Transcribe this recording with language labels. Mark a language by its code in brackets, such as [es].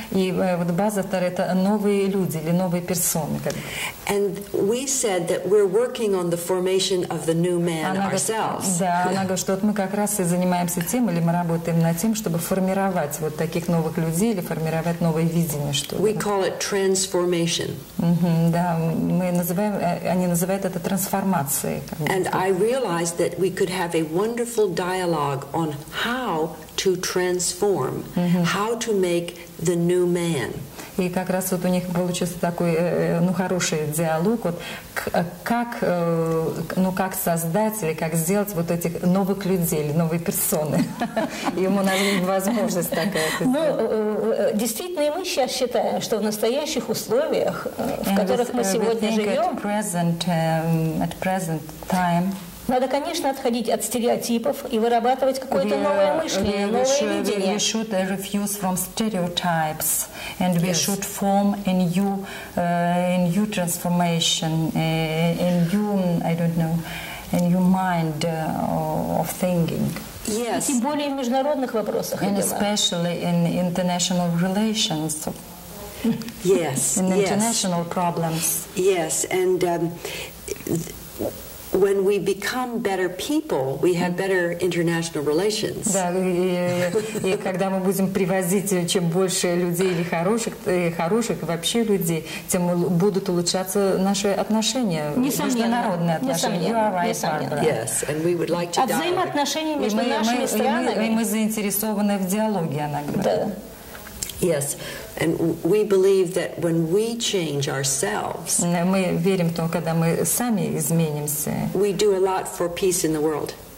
[ru] И вот база вторая — это новые люди или новые персоны. [en] And we said that we're working on the formation of the new man ourselves. [ru] Да, она говорит, что вот мы как раз и занимаемся тем, или мы работаем над тем, чтобы формировать вот таких новых людей или формировать новое видение, что ли. [en] We call it transformation. [ru] Да, они называют это трансформацией. [en] And I realized that we could have a wonderful dialogue on how to transform, how to make the new man. [ru] И как раз вот у них получился такой хороший диалог, вот как создать или как сделать вот этих новых людей или новые персоны. И ему надо возможность такая. Действительно, и мы сейчас считаем, что в настоящих условиях, в которых мы сегодня живем, [en] at present time, [ru] надо, конечно, отходить от стереотипов и вырабатывать какое-то новое мышление, новое видение. [en] We should refuse from stereotypes, and we should form a new transformation, a new mind of thinking. Yes. [ru] И тем более в международных вопросах. [en] And especially in international relations. Yes. In international problems. Yes, and when we become better people, we have better international relations. [ru] Да, и когда мы будем привозить чем больше людей или хороших вообще людей, тем будут улучшаться наши отношения, международные отношения. [en] You are right, Barbara. Yes, and we would like to dialogue. [ru] От взаимоотношений между нашими странами. И мы заинтересованы в диалоге, она говорит. Да. [en] Yes, and we believe that when we change ourselves, [ru] мы верим в том, когда мы сами изменимся, [en] we do a lot for peace in the world.